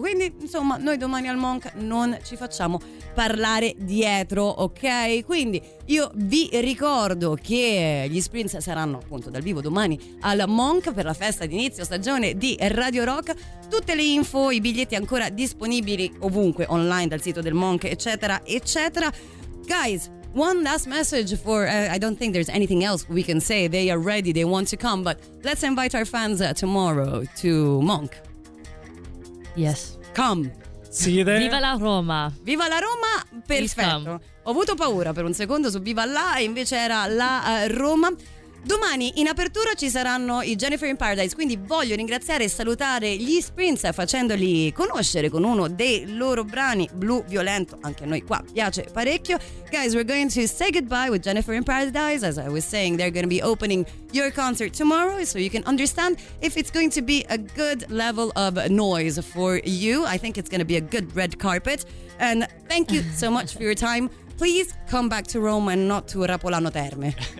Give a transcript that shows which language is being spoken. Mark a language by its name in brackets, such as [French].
[Italian] Quindi insomma, noi domani al Monk non ci facciamo parlare dietro, ok? Quindi io vi ricordo che gli Sprints saranno appunto dal vivo domani al Monk per la festa di inizio stagione di Radio Rock. Tutte le info, i biglietti ancora disponibili ovunque, online dal sito del Monk, eccetera eccetera. [English] Guys, one last message for, I don't think there's anything else we can say. They are ready, they want to come, but let's invite our fans tomorrow to Monk. Yes. Come. See you there. [Italian] Viva la Roma. Viva la Roma, perfetto. Ho avuto paura per un secondo su Viva la, invece era la Roma. Domani in apertura ci saranno i Jennifer in Paradise, quindi voglio ringraziare e salutare gli Sprints facendoli conoscere con uno dei loro brani, Blu Violento, anche a noi qua piace parecchio. [English] Guys, we're going to say goodbye with Jennifer in Paradise. As I was saying, they're going to be opening your concert tomorrow, so you can understand if it's going to be a good level of noise for you. I think it's going to be a good red carpet, and thank you so much for your time. Please come back to Rome and not to Rapolano Terme.